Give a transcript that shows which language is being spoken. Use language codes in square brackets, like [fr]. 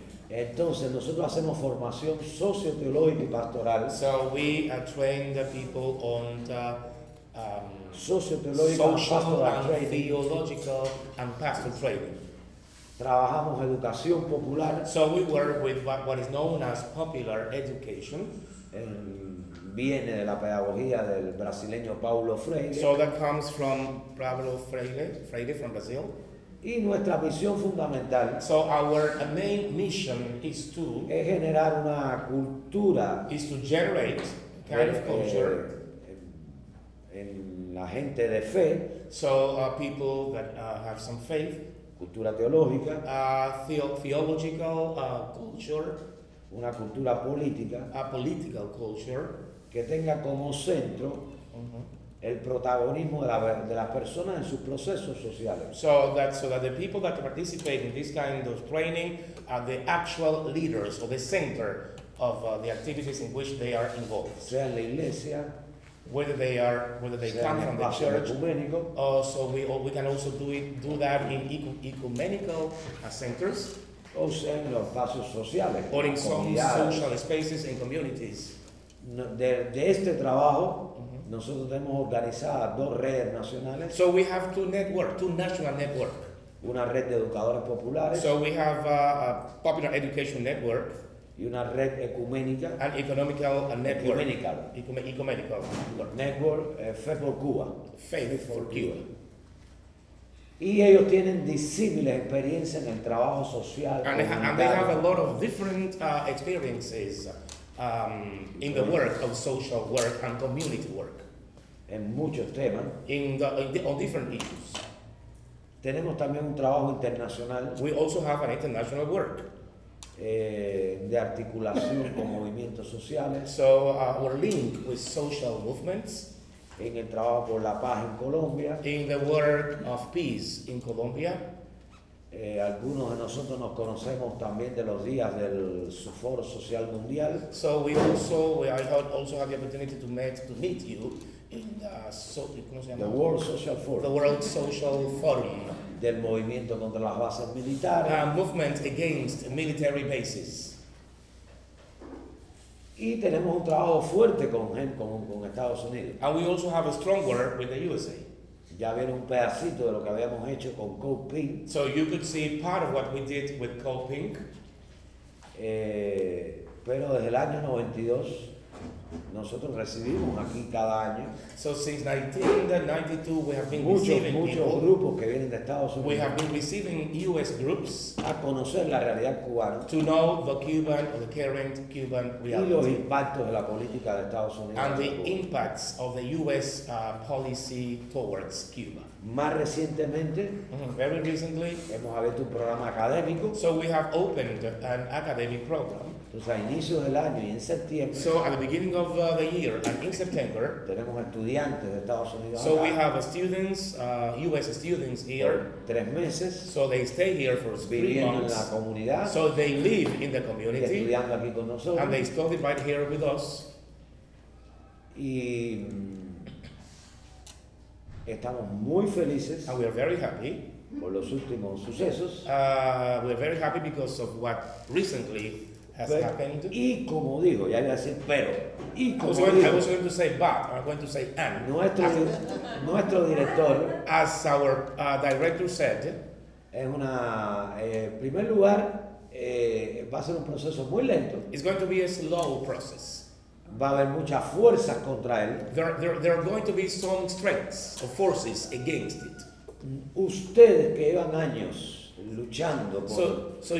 [es] Entonces, nosotros hacemos formación socio-teológica y pastoral. [en] So we train the people on the [es] socio-teológica, [en] social, pastoral, theological, and pastoral training. [es] Trabajamos educación popular. [en] So we work with what is known as popular education. [es] Viene de la pedagogía del brasileño Paulo Freire. [en] So that comes from Paulo Freire from Brazil. [es] Y nuestra misión fundamental. [en] So our main mission is to. [es] Es generar una cultura. [en] Is to generate kind of culture. [es] En la gente de fe. [en] So people that have some faith. [es] Cultura teológica. [en] Theological culture. [es] Una cultura política. [en] A political culture. [es] Que tenga como centro el protagonismo de las personas en sus procesos sociales. [en] So that the people that participate in this kind of training are the actual leaders or the center of the activities in which they are involved. [es] Sea en la iglesia, [en] whether they come from the church, we can also do that in ecumenical centers, [es] o sea en los espacios sociales, [en] or in some social spaces and communities. [es] De este trabajo, nosotros tenemos organizadas dos redes nacionales. [en] So we have two national networks. [es] Una red de educadores populares. [en] So we have a popular education network. [es] Y una red ecuménica. [en] An economical network. Ecumenical. Ecumenical network. Fe por Cuba. Faith for Cuba. [es] Y ellos tienen disímiles experiencias en el trabajo social. [en] And they have a lot of different experiences. In the work of social work and community work. [es] En muchos temas. [en] On different issues. [es] Tenemos también un trabajo internacional. [en] We also have an international work. [es] De articulación con movimientos sociales. [en] So our link with social movements. [es] En el trabajo por la paz en Colombia. [en] In the work of peace in Colombia. [es] Algunos de nosotros nos conocemos también de los días del Foro Social Mundial. [en] So I also had the opportunity to meet you in the [es] ¿cómo se llama? [en] The World Social Forum. The World Social Forum. [es] Del movimiento contra las bases militares. [en] A movement against military bases. [es] Y tenemos un trabajo fuerte con Estados Unidos. [en] And we also have a strong work with the USA. [es] Ya vieron un pedacito de lo que habíamos hecho con Code Pink. [en] So you could see part of what we did with Code Pink. [es] Pero desde el año 92, Nosotros recibimos aquí cada año. [en] So since 1992 we have been [es] receiving grupos que vienen de Estados Unidos. [en] We have been receiving US groups [es] a conocer la realidad cubana. [en] To know the Cuban or the current Cuban reality. [es] Y los impactos de la política de Estados Unidos. [en] And the impacts of the US policy towards Cuba. [es] Más recientemente, [en] very recently, [es] hemos abierto un programa académico. [en] So we have opened an academic program. [es] Entonces, a inicios del año y en septiembre. [en] So at the beginning of the year and in September, [es] tenemos estudiantes de Estados Unidos. [en] So we have students, U.S. students here. [es] Tres meses. [en] So they stay here for 3 months. [es] Viviendo en la comunidad. [en] So they live in the community. [es] Y estudiando aquí con nosotros. [en] And they study right here with us. [es] Y estamos muy felices. [en] And we are very happy. [es] Por los últimos sucesos. [en] We are very happy because of what recently has pero, happened. [es] Y como digo, ya voy a decir pero. Y como [en] I was going to say and. [es] Nuestro director. [en] As our director said. [es] En una, primer lugar, va a ser un proceso muy lento. [en] It's going to be a slow process. [es] Va a haber muchas fuerzas contra él. [en] There are going to be some strengths or forces against it. [es] Ustedes que llevan años luchando por